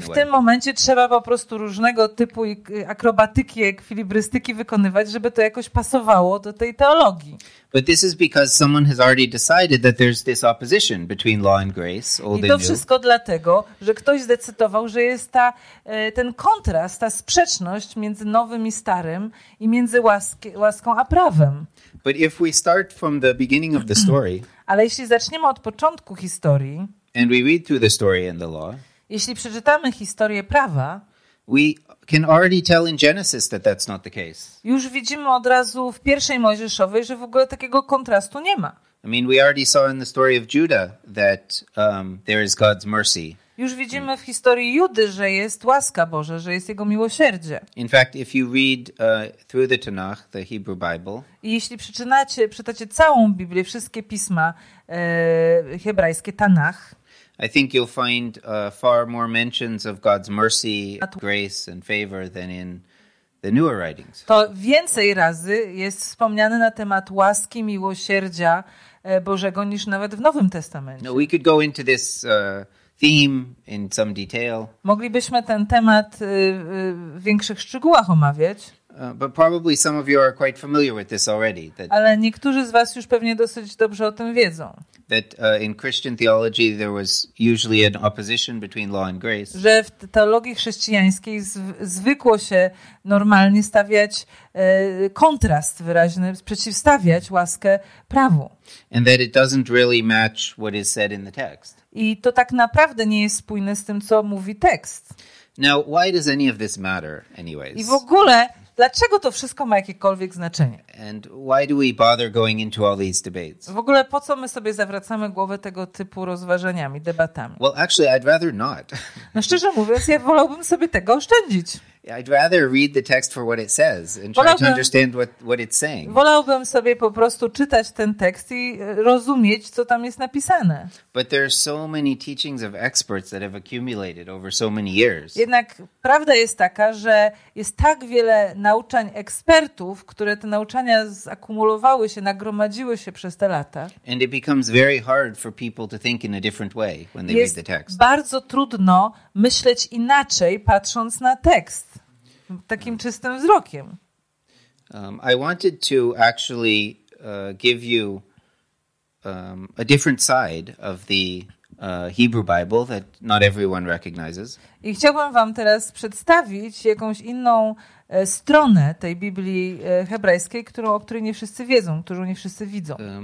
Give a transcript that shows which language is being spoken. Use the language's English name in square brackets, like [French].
[Polish] w tym momencie trzeba po prostu różnego typu akrobatyki, ekwilibrystyki wykonywać, żeby to jakoś pasowało do tej teologii. [English] But this is because someone has already decided that there's this opposition between law and grace, old and new. [Polish] I to wszystko dlatego, że ktoś zdecydował, że jest ta ten kontrast, ta sprzeczność między nowym i starym i między łaską a prawem. [English] But if we start from the beginning of the story, [Polish] ale jeśli zaczniemy od początku historii, [English] and we read through the story and the law, [Polish] jeśli przeczytamy historię prawa, [English] we can already tell in Genesis that that's not the case. [Polish] Już widzimy od razu w pierwszej Mojżeszowej, że w ogóle takiego kontrastu nie ma. [English] I mean, we already saw in the story of Judah that there is God's mercy. [Polish] Już widzimy w historii Judy, że jest łaska Boża, że jest jego miłosierdzie. [English] In fact, if you read through the Tanakh, the Hebrew Bible, [Polish] i jeśli przeczytacie całą Biblię, wszystkie pisma hebrajskie Tanakh, [English] I think you'll find far more mentions of God's mercy, grace and favor than in the newer writings. [Polish] To więcej razy jest wspomniane na temat łaski, miłosierdzia Bożego niż nawet w Nowym Testamencie. [English] No, we could go into this theme in some detail. [Polish] Moglibyśmy ten temat w większych szczegółach omawiać. [English] But probably some of you are quite familiar with this already. That, [Polish] ale niektórzy z was już pewnie dosyć dobrze o tym wiedzą. [English] That in Christian theology there was usually an opposition between law and grace. [Polish] Że w teologii chrześcijańskiej zwykło się normalnie stawiać kontrast wyraźny, przeciwstawiać łaskę prawu. [English] And that it doesn't really match what is said in the text. [Polish] I to tak naprawdę nie jest spójne z tym, co mówi tekst. [English] Now, why does any of this matter, anyways? [Polish] I w ogóle, dlaczego to wszystko ma jakiekolwiek znaczenie? [English] And why do we bother going into all these debates? [Polish] W ogóle, po co my sobie zawracamy głowę tego typu rozważaniami, debatami? [English] Well, actually, I'd rather not. [Polish] No szczerze mówiąc, ja wolałbym sobie tego oszczędzić. [English] I'd rather read the text for what it says and try to understand what it's saying. [Polish] Wolałbym sobie po prostu czytać ten tekst i rozumieć, co tam jest napisane. [English] But there are so many teachings of experts that have accumulated over so many years. [Polish] Jednak prawda jest taka, że jest tak wiele nauczań ekspertów, które te nauczania zakumulowały się, nagromadziły się przez te lata. [English] And it becomes very hard for people to think in a different way when they read the text. [Polish] Jest bardzo trudno myśleć inaczej, patrząc na tekst. Takim czystym wzrokiem. [English] I wanted to actually give you a different side of the Hebrew Bible that not everyone recognizes. [Polish] I chciałbym wam teraz przedstawić jakąś inną stronę tej Biblii hebrajskiej, o której nie wszyscy wiedzą, którą nie wszyscy widzą.